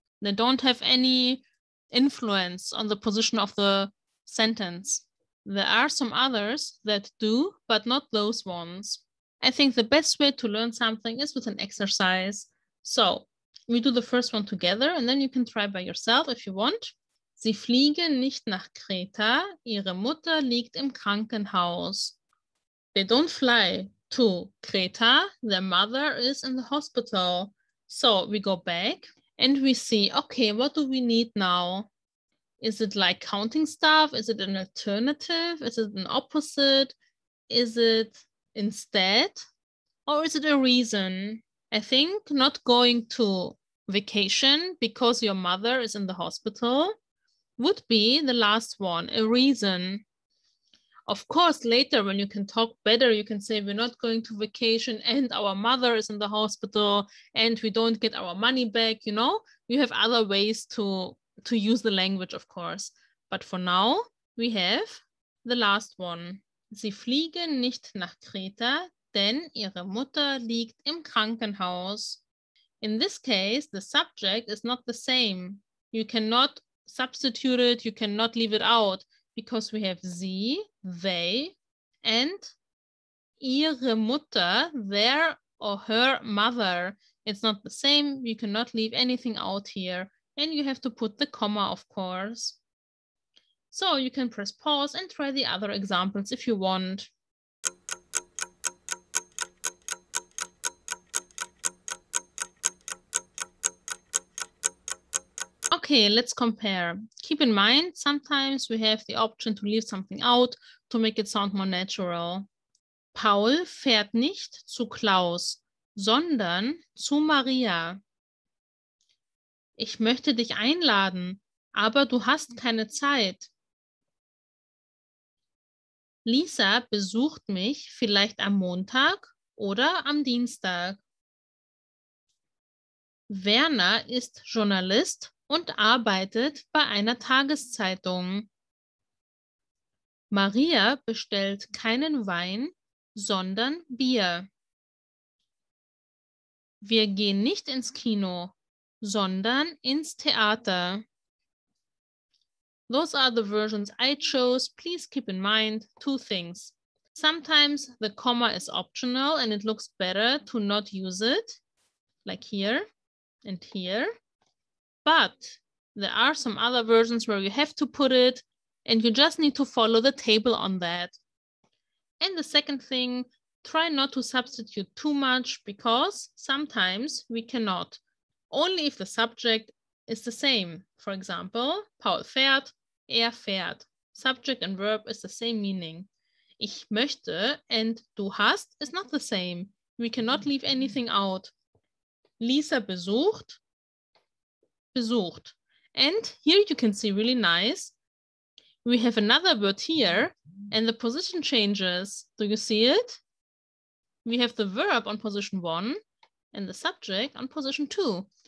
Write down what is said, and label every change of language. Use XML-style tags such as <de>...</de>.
<en>They don't have any influence on the position of the sentence. There are some others that do, but not those ones. I think the best way to learn something is with an exercise. So we do the first one together and then you can try by yourself if you want.</en> <de>Sie fliegen nicht nach Kreta. Ihre Mutter liegt im Krankenhaus.</de> <en>They don't fly to Kreta. Their mother is in the hospital. So we go back and we see, okay, what do we need now? Is it like counting stuff? Is it an alternative? Is it an opposite? Is it instead? Or is it a reason? I think not going to vacation because your mother is in the hospital would be the last one, a reason. Of course, later when you can talk better, you can say we're not going to vacation and our mother is in the hospital and we don't get our money back, you know? You have other ways to use the language, of course. But for now, we have the last one.</en> <de>Sie fliegen nicht nach Kreta, denn ihre Mutter liegt im Krankenhaus.</de> <en>In this case, the subject is not the same. You cannot substitute it, you cannot leave it out. Because we have sie, they, and</en> <de>ihre Mutter,</de> <en>their or her mother. It's not the same. You cannot leave anything out here. And you have to put the comma, of course. So you can press pause and try the other examples if you want. Okay, let's compare. Keep in mind, sometimes we have the option to leave something out to make it sound more natural.</en> <de>Paul fährt nicht zu Klaus, sondern zu Maria. Ich möchte dich einladen, aber du hast keine Zeit. Lisa besucht mich vielleicht am Montag oder am Dienstag. Werner ist Journalist und arbeitet bei einer Tageszeitung. Maria bestellt keinen Wein, sondern Bier. Wir gehen nicht ins Kino, sondern ins Theater.</de> <en>Those are the versions I chose. Please keep in mind two things. Sometimes the comma is optional and it looks better to not use it, like here and here. But there are some other versions where you have to put it and you just need to follow the table on that. And the second thing, try not to substitute too much because sometimes we cannot. Only if the subject is the same. For example,</en> <de>Paul fährt, er fährt.</de> <en>Subject and verb is the same meaning.</en> <de>Ich möchte</de> <en>and</en> <de>du hast</de> <en>is not the same. We cannot leave anything out. Lisa besucht. Besucht. And here you can see really nice. We have another word here and the position changes. Do you see it? We have the verb on position one and the subject on position two.</en>